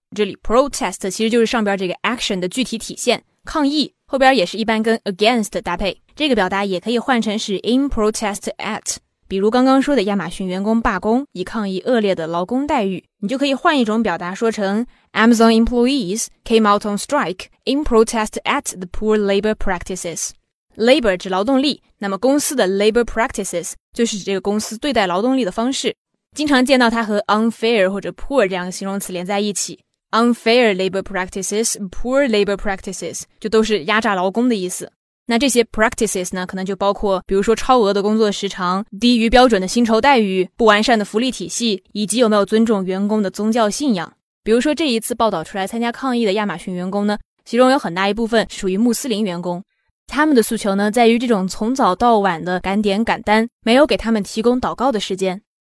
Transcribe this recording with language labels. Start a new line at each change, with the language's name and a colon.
Chinese: 这里 protest 其实就是上边这个 action 的具体体现，抗议后边也是一般跟 against 搭配，这个表达也可以换成是
English: in protest at，
Chinese: 比如刚刚说的亚马逊员工罢工以抗议恶劣的劳工待遇，你就可以换一种表达说成
English: Amazon employees came out on strike in protest at the poor labor practices。
Chinese: labor 指劳动力，那么公司的 labor practices 就是这个公司对待劳动力的方式，经常见到它和 unfair 或者 poor 这样的形容词连在一起。
English: Unfair labor practices, poor labor practices
Chinese: 就都是压榨劳工的意思。那这些 practices 呢，可能就包括比如说超额的工作时长、低于标准的薪酬待遇、不完善的福利体系，以及有没有尊重员工的宗教信仰。比如说这一次报道出来参加抗议的亚马逊员工呢，其中有很大一部分属于穆斯林员工，他们的诉求呢在于这种从早到晚的赶点赶单没有给他们提供祷告的时间。